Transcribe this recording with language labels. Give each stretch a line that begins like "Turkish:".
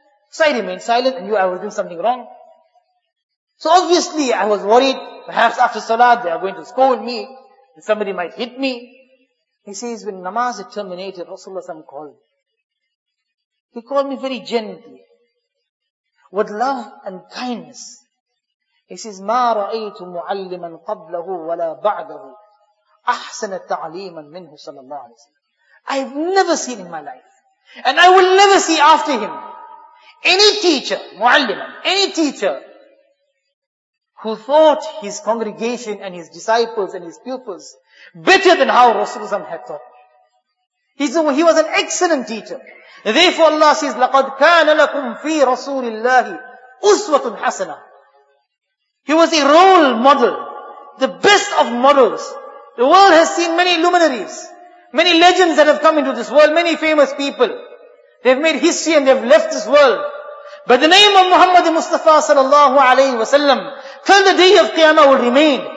English: So I remained silent and knew I was doing something wrong. So obviously I was worried, perhaps after salah they are going to scold me, and somebody might hit me. He says, when namaz had terminated, Rasulullah called me. He called me very gently, with love and kindness. He says,
Arabic: مَا رَأَيْتُ مُعَلِّمًا قَبْلَهُ وَلَا بَعْدَهُ أَحْسَنَ تَعْلِيمًا مِنْهُ صَلَى اللَّهُ عَلَيْهِ وَسَلَّمَ.
English: I have never seen in my life, and I will never see after him, any teacher, مُعَلِّمًا, any teacher, who thought his congregation and his disciples and his pupils better than how Rasulullah had taught. He was an excellent teacher. Therefore Allah says,
Arabic: لَقَدْ كَانَ لَكُمْ فِي رَسُولِ اللَّهِ أُسْوَةٌ حَسَنَةٌ.
English: He was a role model, the best of models. The world has seen many luminaries, many legends that have come into this world, many famous people. They've made history and they've left this world. But the name of Muhammad Mustafa sallallahu alayhi wa sallam till the day of Qiyamah will remain.